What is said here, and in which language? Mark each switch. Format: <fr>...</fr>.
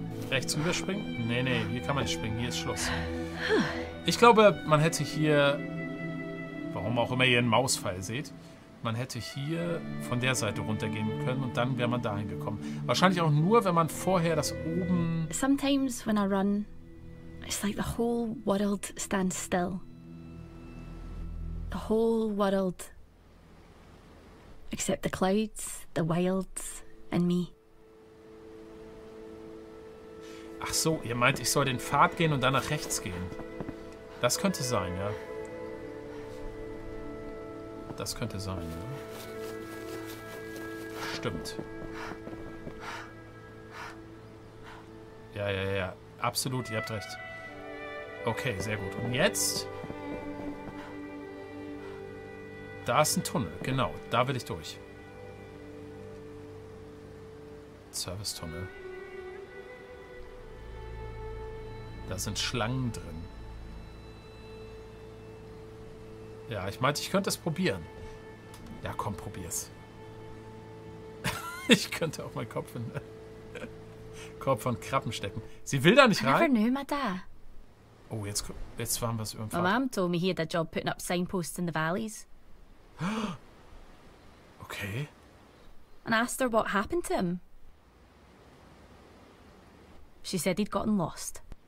<de>Rechts rüberspringen? Nee, hier kann man nicht springen. Hier ist Schluss. Ich glaube, man hätte hier, warum auch immer ihr einen Mauspfeil seht, man hätte hier von der Seite runtergehen können und dann wäre man dahin gekommen. Wahrscheinlich auch nur, wenn man vorher das oben...</de> <en>Sometimes when I run, it's like the whole world stands still. The whole world. Except the clouds, the wilds and me.</en> <de>Ach so, ihr meint, ich soll den Pfad gehen und dann nach rechts gehen. Das könnte sein, ja. Das könnte sein, ja. Stimmt. Ja. Absolut, ihr habt recht. Okay, sehr gut. Und jetzt? Da ist ein Tunnel, genau. Da will ich durch. Servicetunnel. Da sind Schlangen drin. Ja, ich meinte, ich könnte es probieren. Ja, komm, probier's. Ich könnte auch meinen Kopf in den Korb von Krabben stecken. Sie will da nicht rein. Oh, jetzt waren wir es irgendwie.</de> <en>My mom told me he had a job putting up signposts in the valleys. Okay. And asked her what happened to him. She said he'd gotten lost.</en>